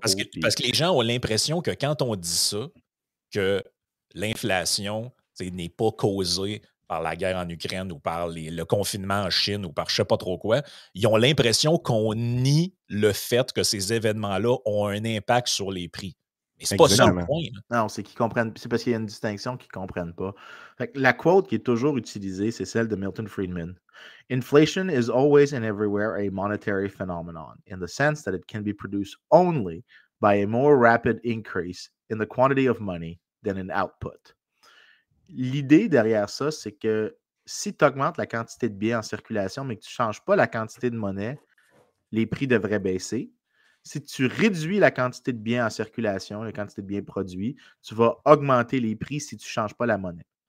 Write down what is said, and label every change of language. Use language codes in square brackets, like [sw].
[fr] Parce que les gens ont l'impression que quand on dit ça, que l'inflation n'est pas causée par la guerre en Ukraine ou par le confinement en Chine ou par je sais pas trop quoi, ils ont l'impression qu'on nie le fait que ces événements-là ont un impact sur les prix. Mais c'est exactement pas ça le point. Là. Non, c'est qu'ils comprennent, c'est parce qu'il y a une distinction qu'ils comprennent pas. Fait que la quote qui est toujours utilisée, c'est celle de Milton Friedman. [en] Inflation is always and everywhere a monetary phenomenon in the sense that it can be produced only by a more rapid increase in the quantity of money than in output. [fr] L'idée derrière ça, c'est que si tu augmentes la quantité de biens en circulation, mais que tu ne changes pas la quantité de monnaie, les prix devraient baisser. Si tu réduis la quantité de biens en circulation, la quantité de biens produits, tu vas augmenter les prix si tu ne changes pas la monnaie.